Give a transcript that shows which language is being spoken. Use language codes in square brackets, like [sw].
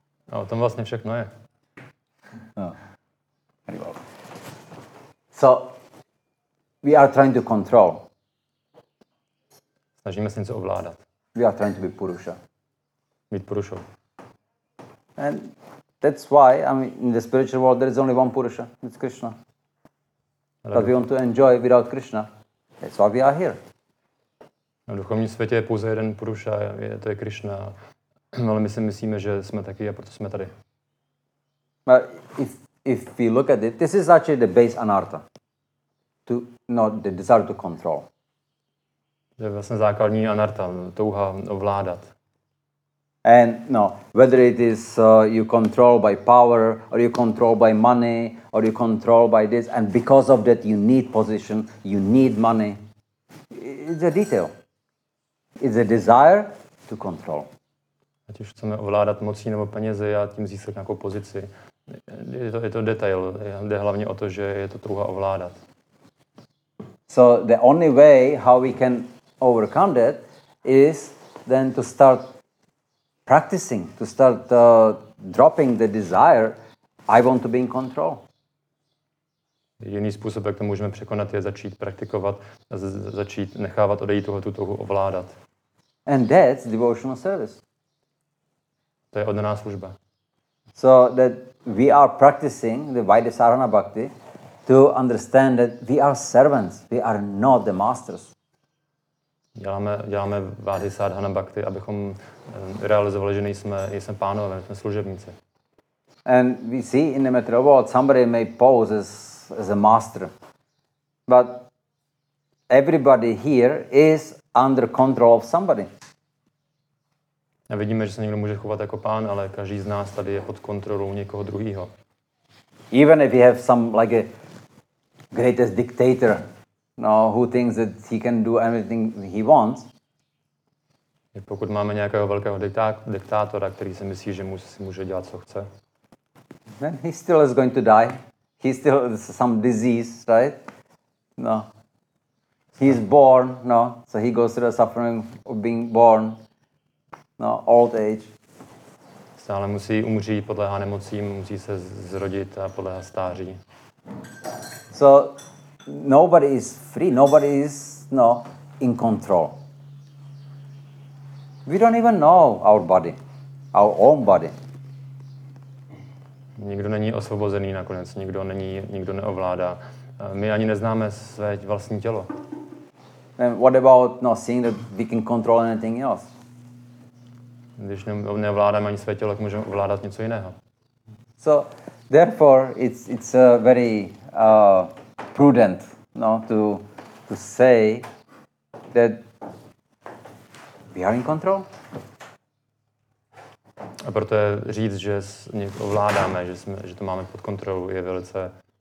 [cs] A o tom vlastně všechno je. No. [en] So we are trying to control. [cs] Snažíme se něco ovládat. [en] We are trying to be Purusha. [cs] Být Purushou. [en] And that's why I mean, in the spiritual world there is only one Purusha. It's Krishna. But we want to enjoy without Krishna. That's why we are here. [cs] Na duchovním světě je pouze jeden Purusha, to je Krishna. Ale my si myslíme, že jsme taky a proto jsme tady. [en] But if we look at it, this is actually the base anartha. To not the desire to control. [cs] To je vlastně základní anartha, touha ovládat. [en] And no, whether it is you control by power, or you control by money, or you control by this, and because of that you need position, you need money. It's a detail. It's a desire to control. [cs] Ať už chceme ovládat mocí nebo penězi a tím získat nějakou pozici. Je to detail. Jde hlavně o to, že je to touha ovládat. [en] So the only way how we can overcome that is then to start practicing, to start dropping the desire, I want to be in control. [cs] Jediný způsob, jak to můžeme překonat, je začít praktikovat, začít nechávat odejít tuhle touhu ovládat. [en] And that's devotional service. [cs] To je oddaná služba. [en] So that we are practicing the Vaidyasarana Bhakti to understand that we are servants, we are not the masters. [cs] Děláme vády sádhana bhakti, abychom realizovali, že nejsme pánové, jsme služebníci. [en] And we see in the material world somebody may pose as a master. But everybody here is under control of somebody. [cs] A vidíme, že se někdo může chovat jako pán, ale každý z nás tady je pod kontrolou někoho druhého. [en] Even if you have some like a greatest dictator, no, who thinks that he can do anything he wants. [cs] Pokud máme nějakého velkého diktátora, který si myslí, že si může dělat, co chce. [en] Then he still is going to die. He still has some disease, right? No. He is born, no. So he goes through the suffering of being born. No, old age. [cs] Stále musí umřít, podléhá nemocím, musí se zrodit a podléhá stáří. [en] So, nobody is free, nobody is, no, in control. We don't even know our body, our own body. [cs] Nikdo není osvobozený nakonec, nikdo neovládá. My ani neznáme své vlastní tělo. [en] And what about not seeing that we can control anything else? [cs] Když neovládáme ani své tělo, tak můžeme ovládat něco jiného. [en] So, therefore, it's a very prudent, no, to say that we are in control. [cs] A proto je říct, že někdo ovládáme, že to máme pod kontrolou, je velice